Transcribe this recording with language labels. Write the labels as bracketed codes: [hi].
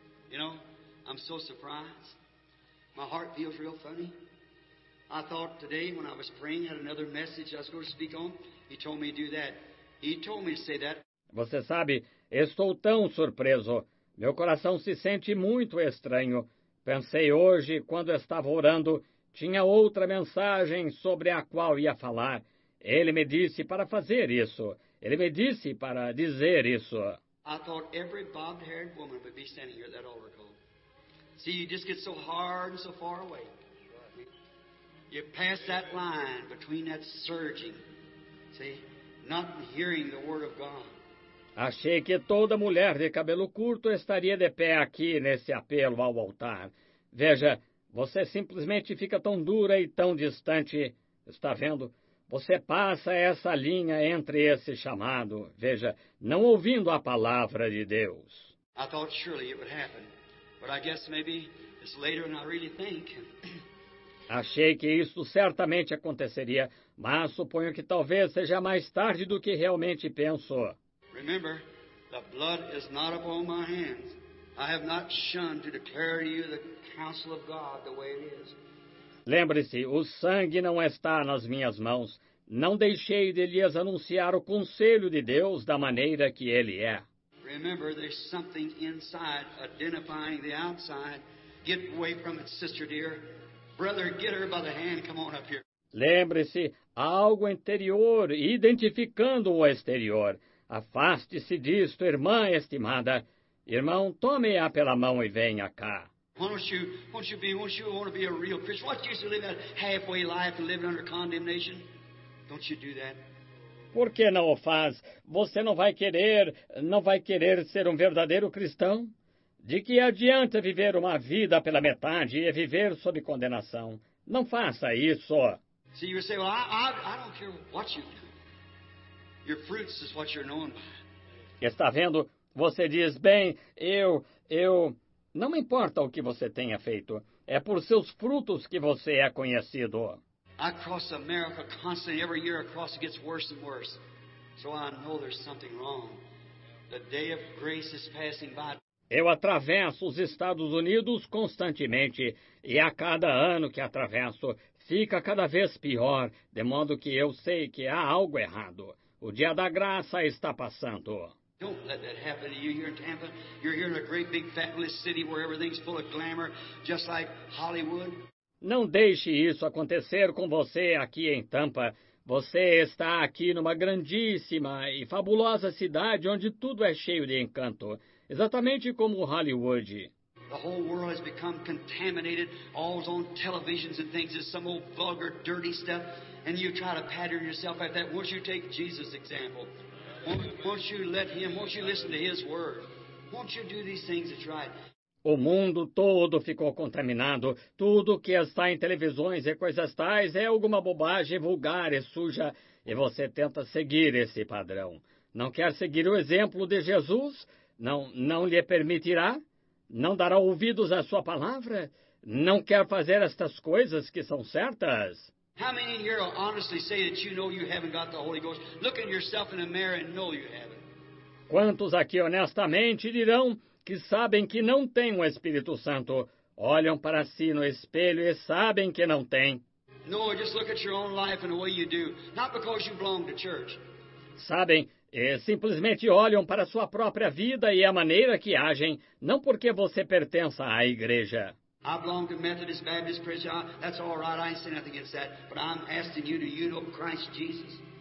[en] You know, I'm so surprised. My heart feels real funny. I thought today when I was praying, had another message I was going to speak on. He told me to do that. He told me to say that. [pt] Você sabe, estou tão surpreso. Meu coração se sente muito estranho. Pensei hoje, quando estava orando, tinha outra mensagem sobre a qual ia falar. Ele me disse para fazer isso. Ele me disse para dizer isso. [en] I thought every bobbed-haired woman would be standing here at that altar call. See, you just get so hard and so far away. You pass that line between that surging, see, not hearing the word of God. [pt] Achei que toda mulher de cabelo curto estaria de pé aqui nesse apelo ao altar. Veja, você simplesmente fica tão dura e tão distante. Está vendo? Você passa essa linha entre esse chamado, veja, não ouvindo a palavra de Deus. [en] I thought surely it would happen, but I guess maybe it's later than I really think. [pt] Achei que isso certamente aconteceria, mas suponho que talvez seja mais tarde do que realmente penso. [en] Remember, the blood is not upon my hands. I have not shunned to declare to you the counsel of God the way it is. [pt] Lembre-se, o sangue não está nas minhas mãos. Não deixei de lhes anunciar o conselho de Deus da maneira que ele é. [en] Remember, there's something inside identifying the outside. Get away from it, sister dear. Brother, get her by the hand. Come on up here. [pt] Lembre-se, há algo interior identificando o exterior. Afaste-se disto, irmã estimada. Irmão, tome-a pela mão e venha cá. [en] Won't you be a real Christian? What use to live that halfway life and live under condemnation? Don't you do that. [pt] Por que não o faz? Você não vai querer ser um verdadeiro cristão? De que adianta viver uma vida pela metade e viver sob condenação? Não faça isso. [en] See, you say, well, I don't care what you do. Your fruits is what you're known by. [pt] Está vendo? Você diz, bem, eu... Não importa o que você tenha feito. É por seus frutos que você é conhecido. [en] I cross America constantly. Every year I cross, it gets worse and worse. So I know there's something wrong. The day of grace is passing by. [pt] Eu atravesso os Estados Unidos constantemente, e a cada ano que atravesso, fica cada vez pior, de modo que eu sei que há algo errado. O dia da graça está passando. [en] Don't let that happen to you here in Tampa. You're here in a great big fabulous city where everything's full of glamour, just like Hollywood. [pt] Não deixe isso acontecer com você aqui em Tampa. Você está aqui numa grandíssima e fabulosa cidade onde tudo é cheio de encanto. Exatamente como Hollywood. [en] The whole world has become contaminated, all on televisions and things, is some old vulgar, dirty stuff, and you try to pattern yourself after that. Won't you take Jesus' example? Won't you let him, won't you listen to his word? Won't you do these things that's right? [pt] O mundo todo ficou contaminado. Tudo que está em televisões e coisas tais é alguma bobagem vulgar e suja. E você tenta seguir esse padrão. Não quer seguir o exemplo de Jesus? Não lhe permitirá? Não dará ouvidos à sua palavra? Não quer fazer estas coisas que são certas? [en] How many here will honestly say that you know you haven't got the Holy Ghost? Look at yourself in the mirror and know you haven't. [pt] Quantos aqui honestamente dirão que sabem que não têm o Espírito Santo? Olham para si no espelho e sabem que não têm. [en] No, just look at your own life and the way you do. Not because you belong to church. [pt] Sabem? E simplesmente olham para a sua própria vida e a maneira que agem, não porque você pertença à igreja. [en] I belong to Methodist, Baptist, Christian. That's all right. I ain't saying nothing against that. But I'm asking you, do you know Christ Jesus?